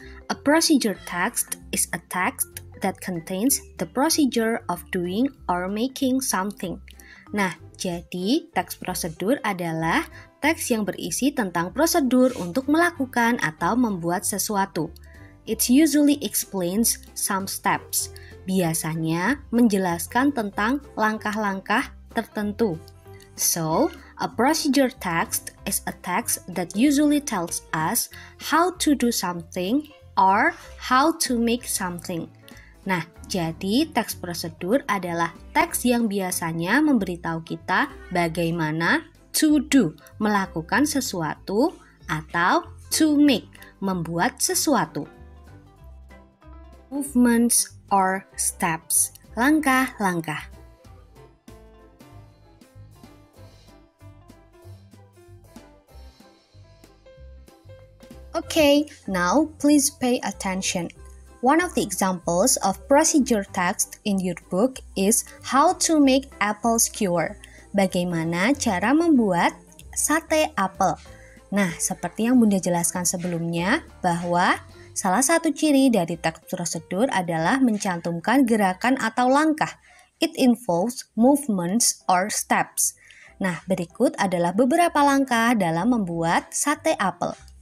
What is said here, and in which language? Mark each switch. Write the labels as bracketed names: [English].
[English] A procedure text is a text that contains the procedure of doing or making something. [Indonesian] Nah, jadi text procedure adalah teks yang berisi tentang prosedur untuk melakukan atau membuat sesuatu. [English] It usually explains some steps. [Indonesian] Biasanya menjelaskan tentang langkah-langkah tertentu. [English] So, a procedure text is a text that usually tells us how to do something or how to make something. [Indonesian] Nah, jadi teks prosedur adalah teks yang biasanya memberitahu kita bagaimana [English] to do, [Indonesian] melakukan sesuatu, atau [English] to make, [Indonesian] membuat sesuatu. [English] Movements or steps, [Indonesian] langkah-langkah. [English] Okay, now please pay attention. One of the examples of procedure text in your book is how to make apple skewer. [Indonesian] Bagaimana cara membuat sate apel? Nah, seperti yang Bunda jelaskan sebelumnya, bahwa salah satu ciri dari teks prosedur adalah mencantumkan gerakan atau langkah. [English] It involves movements or steps. [Indonesian] Nah, berikut adalah beberapa langkah dalam membuat sate apel.